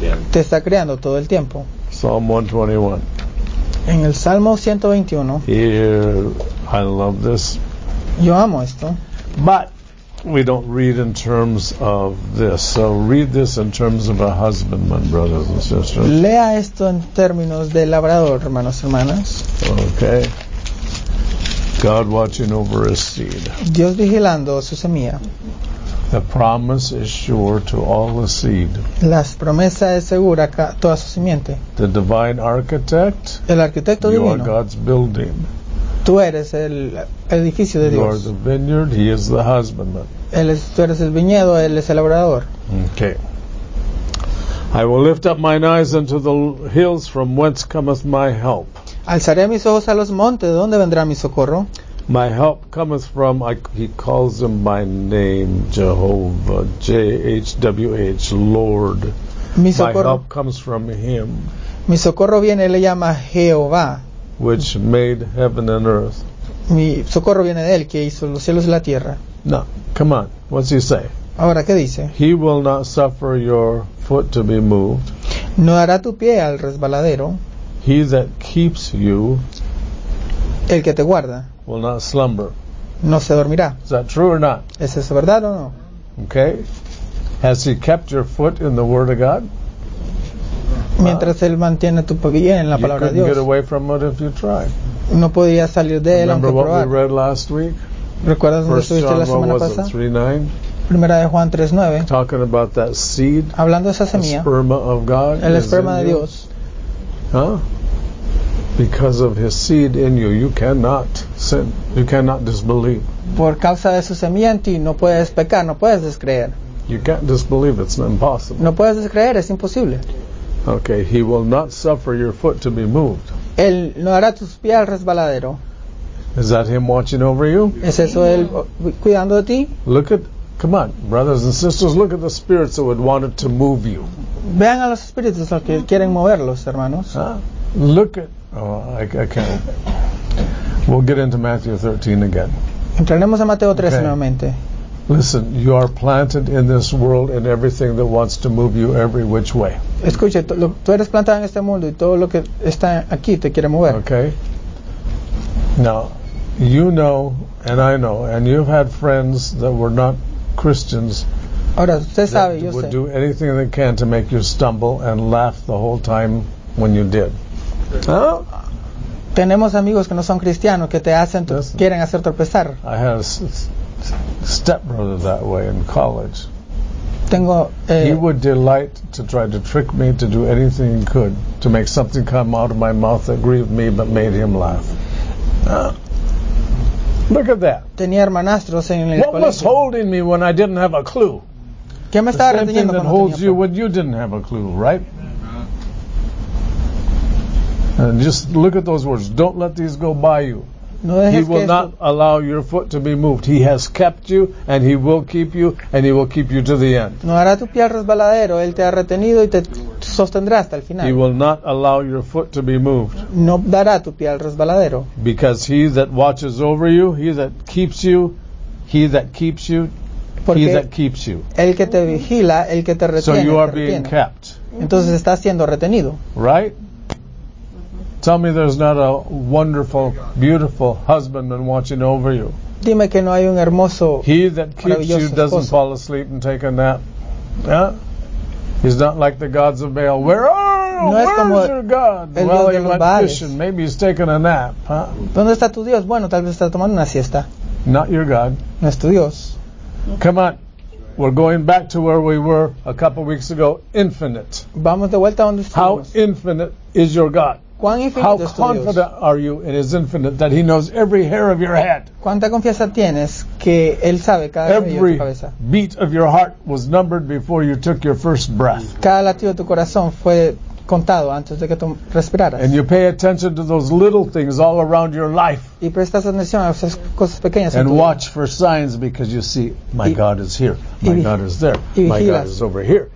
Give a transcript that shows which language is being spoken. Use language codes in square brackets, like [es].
[es] Te está creando todo el tiempo. [en] Psalm 121. [es] En el Salmo 121. [en] I love this. [es] Yo amo esto. [en] But we don't read in terms of this. So read this in terms of a husbandman, brothers and sisters. [es] Lea esto en términos de labrador, hermanos y hermanas. [en] Okay. God watching over his seed. [es] Dios vigilando su semilla. [en] The promise is sure to all the seed. [es] La promesa es segura a toda su simiente. [en] The divine architect. [es] El arquitecto divino. [en] You are God's building. [es] Tú eres el edificio de Dios. [en] You are the vineyard, he is the husbandman. [es] Tú eres el viñedo, él es el labrador. [en] Okay. I will lift up mine eyes unto the hills, from whence cometh my help. [es] Alzaré mis ojos a los montes, ¿de dónde vendrá mi socorro? [en] My help cometh from, he calls him by name, Jehovah, J-H-W-H, Lord. [es] Mi socorro. [en] My help comes from him. [es] Mi socorro viene, le llama Jehová. [en] Which made heaven and earth. [es] Mi socorro viene de él, que hizo los cielos y la tierra. [en] No, come on, what's he say? [es] Ahora, ¿qué dice? [en] He will not suffer your foot to be moved. [es] No hará tu pie al resbaladero. [en] He that keeps you. [es] El que te guarda. [en] Will not slumber. [es] No se dormirá. [en] Is that true or not? [es] ¿Es eso verdad o no? [en] Okay. Has he kept your foot in the word of God? [es] Mientras él mantiene tu pie en la palabra de Dios. [en] You can get away from it if you try. [es] No podía salir de él aunque probara. [en] Remember what we read last week? [es] ¿Recuerdas dónde estuviste la semana pasada? [en] 3:9. [es] Primera de Juan 3:9. [en] Talking about that seed. [es] Hablando de esa semilla. [en] The sperma of God. [es] El esperma de Dios. Huh? [en] Because of his seed in you, you cannot sin. You cannot disbelieve. [es] Por causa de su semilla en ti, no puedes pecar, no puedes descreer. [en] You can't disbelieve, it's impossible. [es] No puedes descreer, es imposible. [en] Okay, he will not suffer your foot to be moved. [es] Él no hará tus pies al resbaladero. [en] Is that him watching over you? [es] ¿Es eso él cuidando de ti? [en] Look at, come on, brothers and sisters, look at the spirits that would want to move you. [es] Vean a los espíritus los que quieren moverlos, hermanos. [en] Look at, I can't. We'll get into Matthew 13 again. [es] Entraremos a Mateo 13 okay. nuevamente. [en] Listen, you are planted in this world and everything that wants to move you every which way. [es] Escuche, tú eres plantado en este mundo y todo lo que está aquí te quiere mover. [en] Okay. Now, you know, and I know, and you've had friends that were not Christians [es] Ahora, usted sabe, [en] that would [es] sé. [en] Do anything they can to make you stumble and laugh the whole time when you did. Oh. [es] Tenemos amigos que no son cristianos que te hacen, quieren hacer tropezar. [en] I had a stepbrother that way in college. [es] Tengo, [en] he would delight to try to trick me to do anything he could to make something come out of my mouth that grieved me but made him laugh. Look at that. [es] Tenía hermanastros en el [en] What [es] colegio. [en] Was holding me when I didn't have a clue? [es] ¿Qué me [en] the same thing that holds [es] tenía [en] you when you didn't have a clue, right? And just look at those words. Don't let these go by you. [es] No [en] he will [es] que [en] not [es] eso. [en] Allow your foot to be moved. He has kept you, and he will keep you, and he will keep you to the end. [es] No hará tu pie resbaladero. Él te ha retenido y te sostendrá hasta el final. [en] He will not allow your foot to be moved. [es] No dará tu pie resbaladero. [en] Because he that watches over you, he that keeps you, he that keeps you, [es] Porque [en] he that keeps you. [es] El que te vigila, el que te retiene. [en] So you are being kept. [es] Entonces estás siendo retenido. [en] Right? Tell me there's not a wonderful, beautiful husbandman watching over you. [es] Dime que no hay un hermoso, [en] he that keeps you doesn't [es] esposo. [en] Fall asleep and take a nap. Yeah? He's not like the gods of Baal. Where are where's your God? [es] El [en] well, [es] Dios [en] he went fishing. Maybe he's taking a nap. Huh? [es] ¿Dónde está tu Dios? Bueno, tal vez está tomando una siesta. [en] Not your God. [es] No es tu Dios. [en] Come on. We're going back to where we were a couple weeks ago. Infinite. [es] Vamos de vuelta donde estuvimos. [en] How infinite is your God? How confident are you in His infinite that He knows every hair of your head? [es] ¿Cuánta confianza tienes que Él sabe cada [en] vez every beat of your heart was numbered before you took your first breath. [es] Cada latido de tu corazón fue contado antes de que tú respiraras. [en] And you pay attention to those little things all around your life. [es] Y prestas atención a esas cosas pequeñas. [en] And watch for signs because you see, my God is here, my God is there, my God is over here.